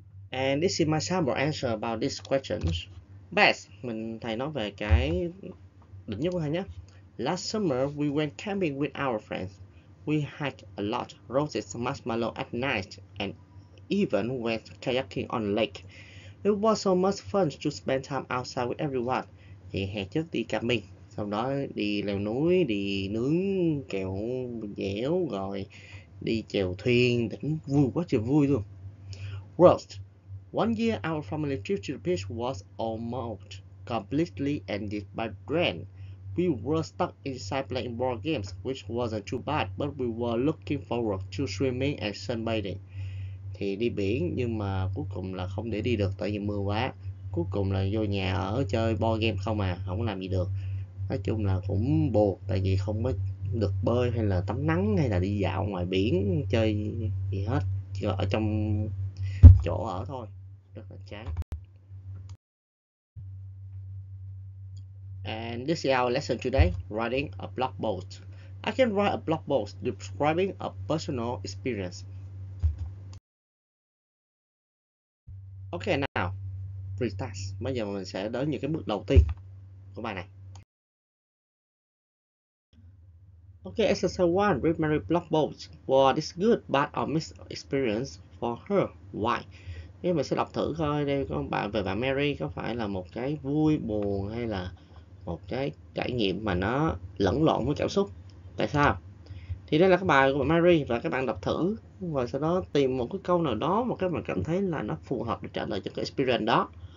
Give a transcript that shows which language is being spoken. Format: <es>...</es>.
<en>And this is my sample answer about these questions.</en> <vi>Best, mình thầy nói về cái đỉnh nhất của thầy nhé.</vi> <en>Last summer, we went camping with our friends. We hiked a lot, roasted marshmallow at night, and even went kayaking on the lake. It was so much fun to spend time outside with everyone.</en> <vi>Thì hẹn trước đi camping, sau đó đi leo núi, đi nướng kẹo dẻo, rồi đi chèo thuyền, đỉnh vui quá trời vui luôn.</vi> <en>Roast. One year, our family trip to the beach was almost completely ended by rain. We were stuck inside playing board games, which wasn't too bad, but we were looking forward to swimming and sunbathing.</en> <vi>Thì đi biển nhưng mà cuối cùng là không để đi được tại vì mưa quá. Cuối cùng là vô nhà ở chơi board game không à, không có làm gì được. Nói chung là cũng buồn tại vì không có được bơi hay là tắm nắng hay là đi dạo ngoài biển chơi gì hết. Chỉ ở trong chỗ ở thôi, rất là chán.</vi> <en>And this is our lesson today, writing a blog post. I can write a blog post describing a personal experience. Okay, now, pre-task.</en> <vi>Bây giờ mình sẽ đến những cái bước đầu tiên của bài này.</vi> <en>Okay, exercise 1, read my blog post. Was this good, bad or mixed experience for her? Why?</en> <vi>Nếu mình sẽ đọc thử coi đây có bạn về bạn Mary có phải là một cái vui buồn hay là một cái trải nghiệm mà nó lẫn lộn với cảm xúc. Tại sao? Thì đây là cái bài của bạn Mary và các bạn đọc thử và sau đó tìm một cái câu nào đó mà các bạn cảm thấy là nó phù hợp để trả lời cho cái experience đó.</vi>